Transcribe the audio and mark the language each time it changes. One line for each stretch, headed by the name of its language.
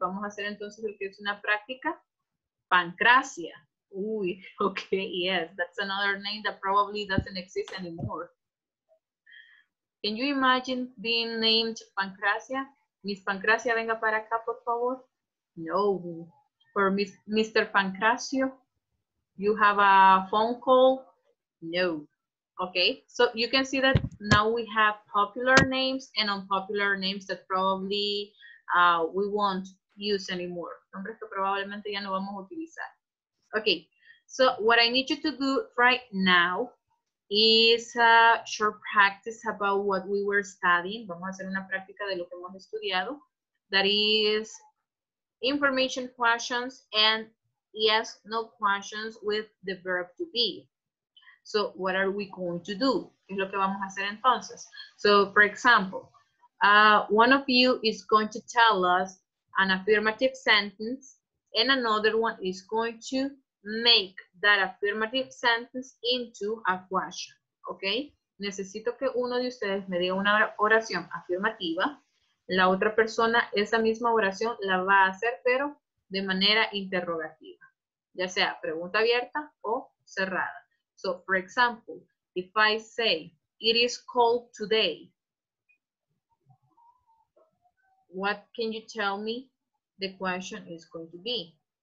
Spanish: Vamos a hacer entonces lo que es una práctica. Pancracia.
English: Uy, okay, yes, that's another name that probably doesn't exist anymore. Can you imagine being named Pancracia? Miss Pancracia,
Spanish: venga para acá, por favor.
English: No. Or Mr. Pancracio, you have a phone call? No. Okay, so you can see that now we have popular names and unpopular names that probably we won't use anymore.
Spanish: Nombres que probablemente ya no vamos a utilizar.
English: Okay, so what I need you to do right now is a short practice about what we were studying.
Spanish: Vamos a hacer una práctica de lo que hemos estudiado.
English: That is information questions and yes, no questions with the verb to be. So what are we going to do?
Spanish: ¿Qué es lo que vamos a hacer entonces?
English: So for example, one of you is going to tell us an affirmative sentence and another one is going to make that affirmative sentence into a question, okay?
Spanish: Necesito que uno de ustedes me dé una oración afirmativa. La otra persona, esa misma oración la va a hacer, pero de manera interrogativa. Ya sea pregunta abierta o cerrada.
English: So, for example, if I say, it is cold today, what can you tell me the question is going to be?